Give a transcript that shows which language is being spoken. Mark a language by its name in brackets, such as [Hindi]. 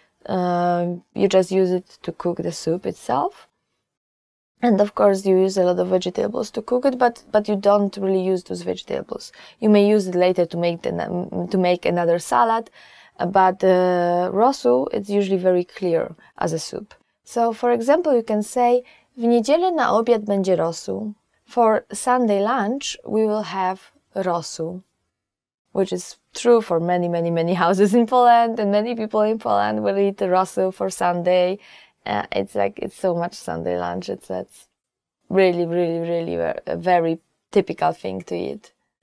[English] You just use it to cook the soup itself, and of course you use a lot of vegetables to cook it. But you don't really use those vegetables. You may use it later to make another salad. But rosół, it's usually very clear as a soup. So, for example, you can say [Polish] w niedzielę na obiad będzie rosół. [English] For Sunday lunch, we will have rosół, which is true for many, many, many houses in Poland, and many people in Poland will eat rosół for Sunday. It's like it's so much Sunday lunch. It's that's really, really, really a very typical thing to eat.